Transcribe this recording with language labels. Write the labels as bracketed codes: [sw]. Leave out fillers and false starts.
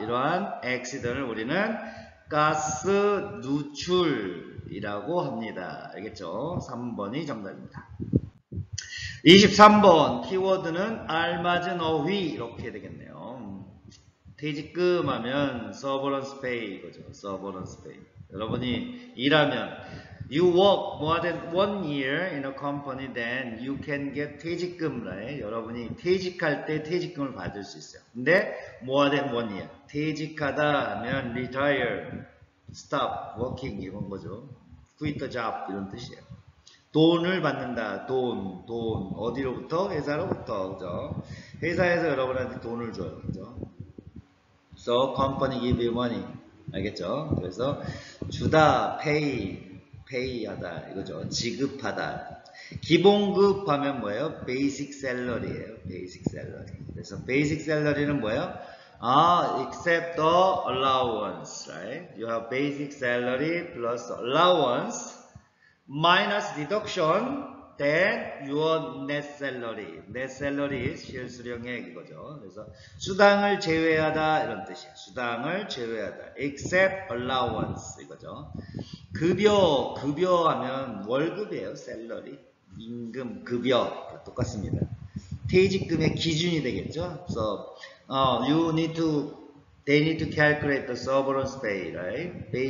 [ko] 이러한 액시던을 우리는 가스 누출이라고 합니다. 알겠죠? 3번이 정답입니다. 23번 키워드는 알맞은 어휘 이렇게 되겠네요. 퇴직금 하면 severance pay 이거죠. severance pay. 여러분이 일하면 [en] You work more than 1 year in a company, then you can get 퇴직금, right? [ko] 여러분이 퇴직할 때 퇴직금을 받을 수 있어요. 근데 [en] more than 1 year. [ko] 퇴직하다 하면 retire, [en] stop working [ko] 이런 거죠. [en] quit the job [ko] 이런 뜻이에요. 돈을 받는다. 돈. 어디로부터? 회사로부터. 그죠? 회사에서 여러분한테 돈을 줘요. 그죠? [en] So company give you money. [ko] 알겠죠? 그래서 주다, [en] pay, pay하다 이거죠. [ko] 지급하다. 기본급 하면 뭐예요? Basic salary예요. Basic salary. 그래서 basic salary는 뭐예요? [en] Except the allowance, right? You have basic salary plus allowance minus deduction, then your net salary. Net salary is 실수령액 이거죠. [ko] 그래서 수당을 제외하다 이런 뜻이에요. 수당을 제외하다. [en] Except allowance [ko] 이거죠. 급여, 급여 하면 월급이에요. Salary. 임금, 급여 똑같습니다. 퇴직금의 기준이 되겠죠. [en] So you need to, they need to calculate the severance pay, right?